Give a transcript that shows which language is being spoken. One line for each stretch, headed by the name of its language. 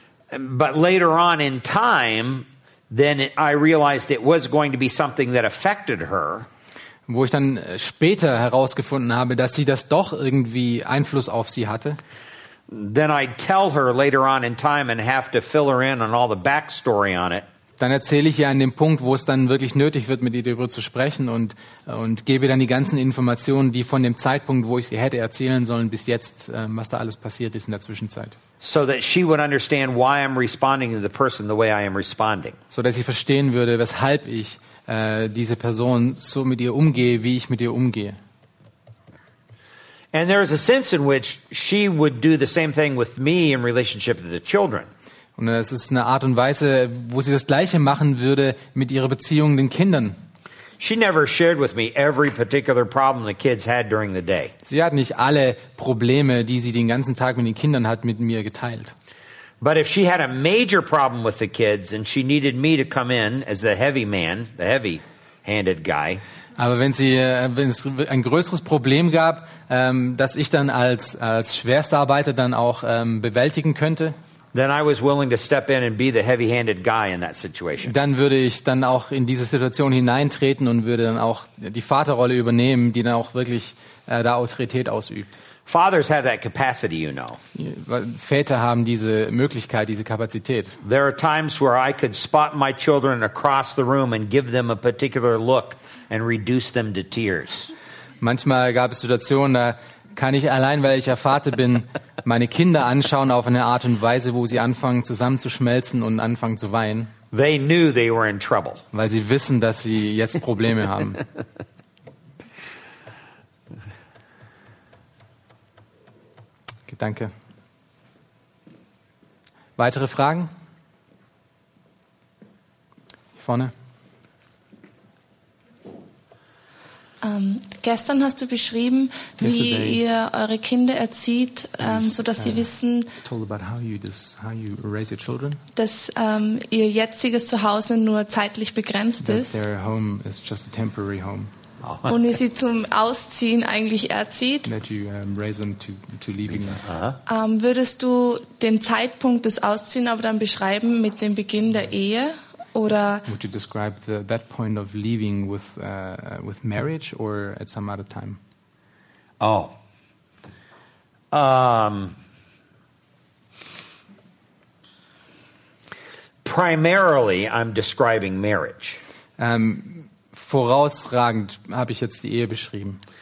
English: But later on in time, then I realized it was going to be something that affected her.
German: Wo ich dann später herausgefunden habe, dass sie das doch irgendwie Einfluss auf sie hatte.
English: Then I tell her later on in time and have to fill her in on all the backstory on it.
German: Dann erzähle ich ihr an dem Punkt, wo es dann wirklich nötig wird, mit ihr darüber zu sprechen und gebe dann die ganzen Informationen, die von dem Zeitpunkt, wo ich sie hätte erzählen sollen, bis jetzt, was da alles passiert ist in der Zwischenzeit.
English: So that she would understand why I'm responding to the person the way I am responding.
German: So dass sie verstehen würde, weshalb ich diese Person so mit ihr umgehe, wie ich mit ihr umgehe.
English: And there is a sense in which she would do the same thing with me in relationship to the children.
German: Und es ist eine Art und Weise, wo sie das Gleiche machen würde mit ihrer Beziehung den Kindern.
English: She never shared with me every particular problem the kids had during the day.
German: Sie hat nicht alle Probleme, die sie den ganzen Tag mit den Kindern hat, mit mir geteilt.
English: But if she had a major problem with the kids and she needed me to come in as the heavy man, the heavy-handed guy.
German: Aber wenn sie wenn es ein größeres Problem gab, dass ich dann als Schwerstarbeiter dann auch bewältigen könnte.
English: Then I was willing to step in and be the heavy-handed guy in that situation.
German: Dann würde ich dann auch in diese Situation hineintreten und würde dann auch die Vaterrolle übernehmen, die dann auch wirklich da Autorität ausübt.
English: Fathers have that capacity, you know.
German: Väter haben diese Möglichkeit, diese Kapazität.
English: There are times where I could spot my children across the room and give them a particular look and reduce them to tears.
German: Manchmal gab es Situationen, da kann ich allein, weil ich ja Vater bin, meine Kinder anschauen auf eine Art und Weise, wo sie anfangen zusammenzuschmelzen und anfangen zu weinen.
English: They knew they were in trouble.
German: Weil sie wissen, dass sie jetzt Probleme haben. Okay, danke. Weitere Fragen? Hier vorne. Gestern hast du beschrieben, wie ihr eure Kinder erzieht, sodass sie wissen, dass ihr jetziges Zuhause nur zeitlich begrenzt ist.
English: Their home is just a temporary home. Oh.
German: Und ihr sie zum Ausziehen eigentlich erzieht. Würdest du den Zeitpunkt des Ausziehens aber dann beschreiben mit dem Beginn der Ehe? Oder
English: would you describe that point of leaving with marriage or at some other time? Oh. Primarily, I'm describing marriage.
German: Vorausragend habe ich jetzt die Ehe beschrieben.